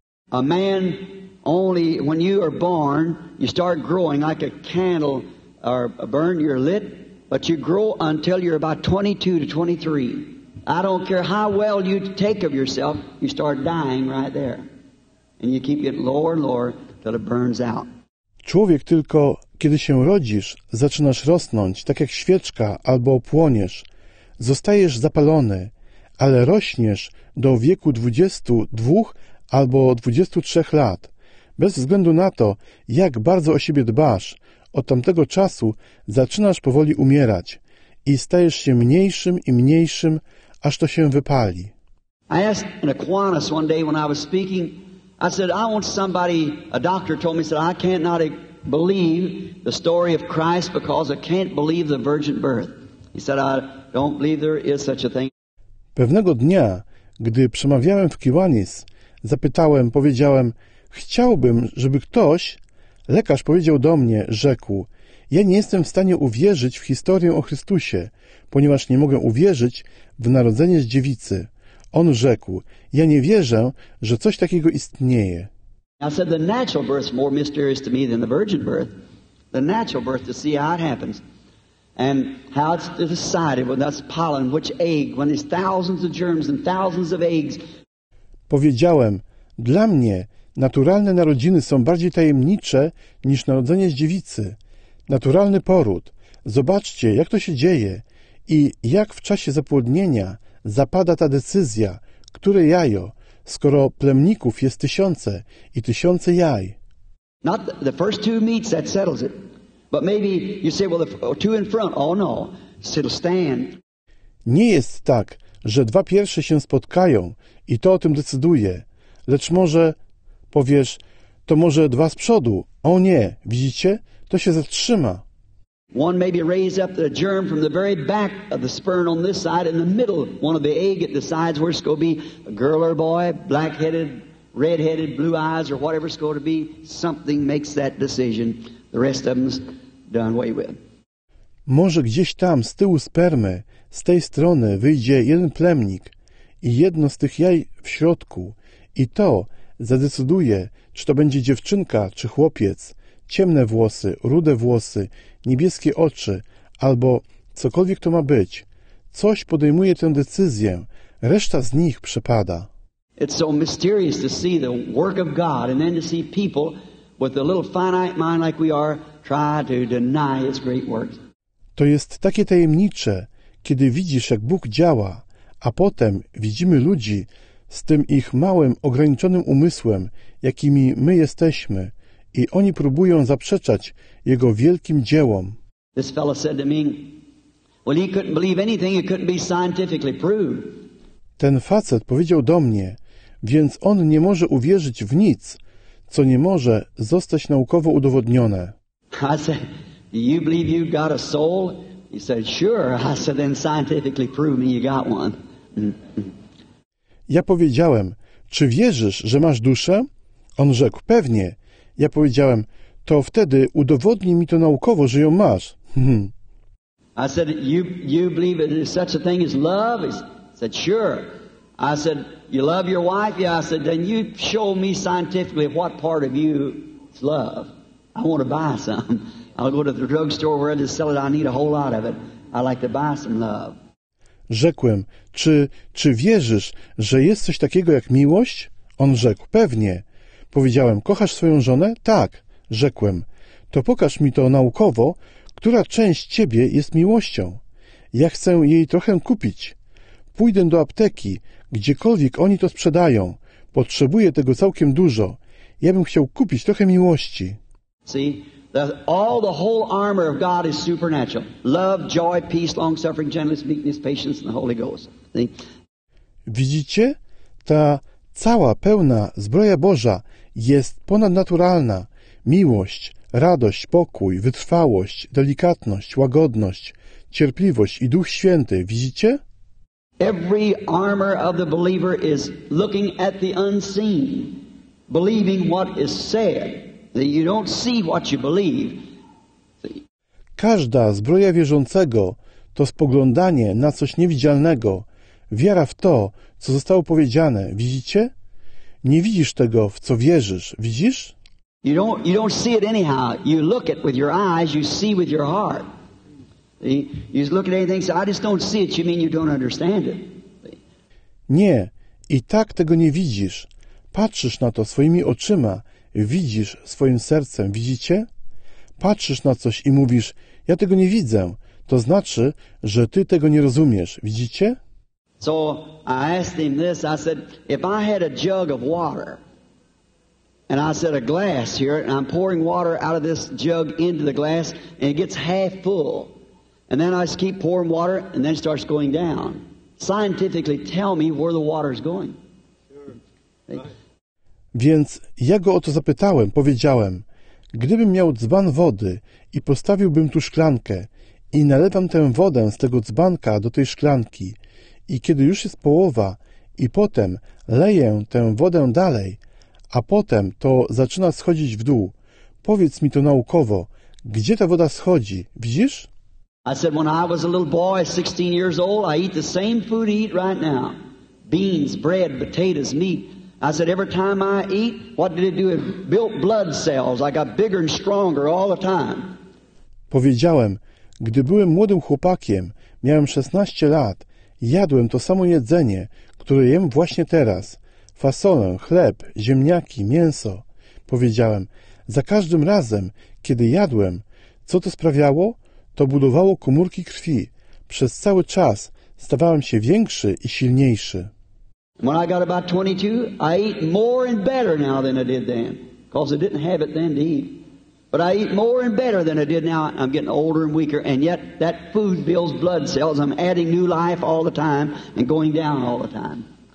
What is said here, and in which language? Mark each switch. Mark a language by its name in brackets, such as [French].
[English] A man only when you are born, you start growing like a candle or burn your lid, but you grow until you're about 22 to 23. I don't care how well you take of yourself, you start dying right there. And you keep getting lower and lower till it burns out. [Polish] Człowiek, tylko kiedy się rodzisz, zaczynasz rosnąć, tak jak świeczka, albo płoniesz. Zostajesz zapalony, ale rośniesz do wieku 22 albo 23 lat. Bez względu na to, jak bardzo o siebie dbasz, od tamtego czasu zaczynasz powoli umierać i stajesz się mniejszym i mniejszym, aż to się wypali. [English] I asked an Aquinas one day when I was speaking, I said, I want somebody, a doctor told me, said, I can't not believe the story of Christ because I can't believe the virgin birth. He said, I don't believe there is such a thing. [Polish] Pewnego dnia, gdy przemawiałem w Kiwanis, zapytałem, powiedziałem, chciałbym, żeby ktoś, lekarz powiedział do mnie, rzekł, ja nie jestem w stanie uwierzyć w historię o Chrystusie, ponieważ nie mogę uwierzyć w narodzenie z dziewicy. On rzekł, ja nie wierzę, że coś takiego istnieje. [English] I said the natural birth is more mysterious to me than the virgin birth. The natural birth to see how it happens. And how it's decided when that's pollen, which egg, when there's thousands of germs and thousands of eggs. [Polish] Powiedziałem, dla mnie naturalne narodziny są bardziej tajemnicze niż narodzenie z dziewicy. Naturalny poród. Zobaczcie, jak to się dzieje i jak w czasie zapłodnienia zapada ta decyzja, które jajo, skoro plemników jest tysiące i tysiące jaj. [English] Not the first two meats that settles it. But maybe you say, well, two in front. Oh no, it'll stand. [Polish] Nie jest tak, że dwa pierwsze się spotkają i to o tym decyduje. Lecz może powiesz, to może dwa z przodu. O nie, widzicie? To się zatrzyma. [English] One maybe raise up the germ from the very back of the sperm on this side, in the middle one of the egg, it decides where it's going to be, a girl or a boy, black-headed, red-headed, blue eyes, or whatever it's going to be. Something makes that decision. The rest of them's done away with. [Polish] Może gdzieś tam z tyłu spermy, z tej strony wyjdzie jeden plemnik i jedno z tych jaj w środku i to zadecyduje, czy to będzie dziewczynka, czy chłopiec, ciemne włosy, rude włosy, niebieskie oczy, albo cokolwiek to ma być. Coś podejmuje tę decyzję, reszta z nich przepada. [English] It's so mysterious to see the work of God and then to see people with a little finite mind like we are, try to deny its great works. [Polish] To jest takie tajemnicze, kiedy widzisz, jak Bóg działa, a potem widzimy ludzi z tym ich małym, ograniczonym umysłem, jakimi my jesteśmy, i oni próbują zaprzeczać Jego wielkim dziełom. [English] This fellow said to me, well, he couldn't believe anything, it couldn't be scientifically proved. [Polish] Ten facet powiedział do mnie, więc on nie może uwierzyć w nic, co nie może zostać naukowo udowodnione. [English] I said, do you believe you got a soul? He said, sure. I said, then scientifically prove me you got one. [Polish] Ja powiedziałem, czy wierzysz, że masz duszę? On rzekł, pewnie. Ja powiedziałem, to wtedy udowodnij mi to naukowo, że ją masz. [English] I said, you believe it is such a thing as love? He said, sure. I said, you love your wife? Yeah, I said, then you show me scientifically what part of you is love. I want to buy some. I'll go to the drugstore where they sell it. I need a whole lot of it. I like to buy some love. [Polish] Rzekłem, czy wierzysz, że jest coś takiego jak miłość? On rzekł, pewnie. Powiedziałem, kochasz swoją żonę? Tak, rzekłem. To pokaż mi to naukowo, która część ciebie jest miłością. Ja chcę jej trochę kupić. Pójdę do apteki, gdziekolwiek oni to sprzedają. Potrzebuję tego całkiem dużo. Ja bym chciał kupić trochę miłości. [English] See, the whole armor of God is supernatural. Love, joy, peace, long-suffering, gentleness, meekness, patience, and the Holy Ghost. See? [Polish] Widzicie? Ta cała pełna zbroja Boża jest ponadnaturalna. Miłość, radość, pokój, wytrwałość, delikatność, łagodność, cierpliwość i Duch Święty. Widzicie? [English] Every armor of the believer is looking at the unseen, believing what is said. That you don't see what you believe. [Polish] Każda zbroja wierzącego to spoglądanie na coś niewidzialnego, wiara w to, co zostało powiedziane. Widzicie? Nie widzisz tego, w co wierzysz. Widzisz? [English] You don't see it anyhow. You look it with your eyes, you see with your heart. You look at anything, say, I just don't see it. You mean you don't understand it? [Polish] Nie, i tak tego nie widzisz. Patrzysz na to swoimi oczyma, widzisz swoim sercem, widzicie? Patrzysz na coś i mówisz, ja tego nie widzę. To znaczy, że ty tego nie rozumiesz, widzicie? [English] So I asked him this, I said, if I had a jug of water, and I said a glass here, and I'm pouring water out of this jug into the glass, and it gets half full, and then I just keep pouring water, and then it starts going down. Scientifically tell me where the water is going. [Polish] Więc ja go o to zapytałem, powiedziałem, gdybym miał dzban wody i postawiłbym tu szklankę i nalewam tę wodę z tego dzbanka do tej szklanki i kiedy już jest połowa i potem leję tę wodę dalej, a potem to zaczyna schodzić w dół, powiedz mi to naukowo, gdzie ta woda schodzi, widzisz? [English] I said, when I was a little boy, 16 years old, I eat the same food I eat right now. Beans, bread, potatoes, meat. I said, every time I eat, what did it do? It built blood cells. I got bigger and stronger all the time. [Polish] Powiedziałem, gdy byłem młodym chłopakiem, miałem 16 lat, jadłem to samo jedzenie, które jem właśnie teraz. Fasolę, chleb, ziemniaki, mięso. Powiedziałem, za każdym razem, kiedy jadłem, co to sprawiało? To budowało komórki krwi. Przez cały czas stawałem się większy i silniejszy. [English] When I got about 22, I eat more and better now than I did then. Because I didn't have it then to eat. But I eat more and better than I did now. I'm getting older and weaker. And yet, that food builds blood cells. I'm adding new life all the time and going down all the time.